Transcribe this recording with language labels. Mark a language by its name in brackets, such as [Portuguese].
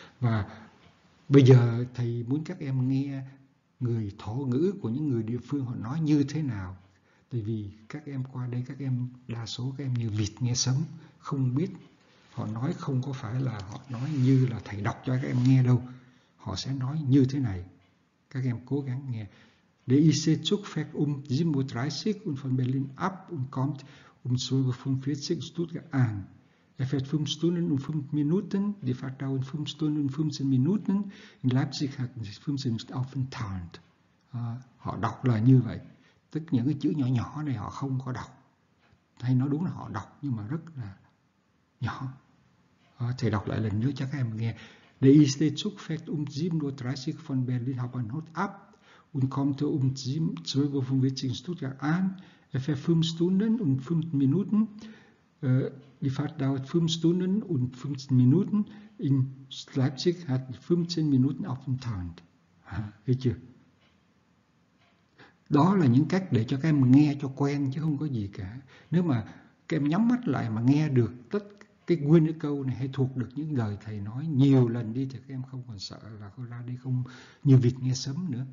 [Vietnamese] Và bây giờ thầy muốn các em nghe người thổ ngữ của những người địa phương họ nói như thế nào. Tại vì các em qua đây, các em đa số các em như vịt nghe sấm, không biết họ nói, không có phải là họ nói như là thầy đọc cho các em nghe đâu. Họ sẽ nói như thế này. Các em cố gắng nghe. [German] Der ICE Zug fährt 7:30 und von Berlin ab und kommt 12:45 Stuttgart an. Er fährt 5 Stunden und 5 Minuten, die Fahrt dauert 5 Stunden und 15 Minuten. In Leipzig hat man sich 15 Minuten aufenthalt. [Vietnamese] Họ đọc là như vậy. Tức những cái chữ nhỏ nhỏ này họ không có đọc. Hay nói đúng là họ đọc nhưng mà rất là nhỏ. Thầy đọc lại lần nữa cho các em nghe. [German] Der ICE Zug fährt 7:30 von Berlin Hauptbahnhof ab und kommt 12:45 Stuttgart an. Er fährt 5 Stunden und 5 Minuten. Die Fahrt dauert 5 Stunden und 15 Minuten. In Leipzig hat 15 Minuten Aufenthalt. [Vietnamese] Thấy chưa? Đó là những cách để cho các em nghe cho quen chứ không có gì cả. Nếu mà các em nhắm mắt lại mà nghe được tất cái nguyên cái câu này hay thuộc được những lời thầy nói nhiều lần đi thì các em không còn sợ là không ra đi không như vịt nghe sấm nữa.